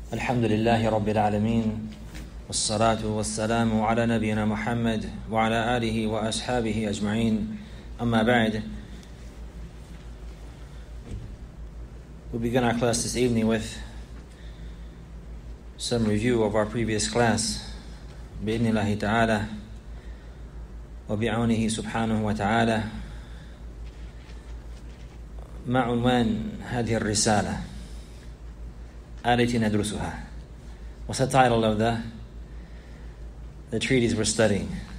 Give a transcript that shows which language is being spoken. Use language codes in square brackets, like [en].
[ar] الحمد لله رب العالمين والصلاة والسلام على نبينا محمد وعلى آله وأصحابه أجمعين أما بعد. [en] We begin our class this evening with some review of our previous class. [ar] بإذن الله تعالى وبعونه سبحانه وتعالى مع عنوان هذه الرسالة التي ندرسها. [en] What's the title of the treatise we're studying?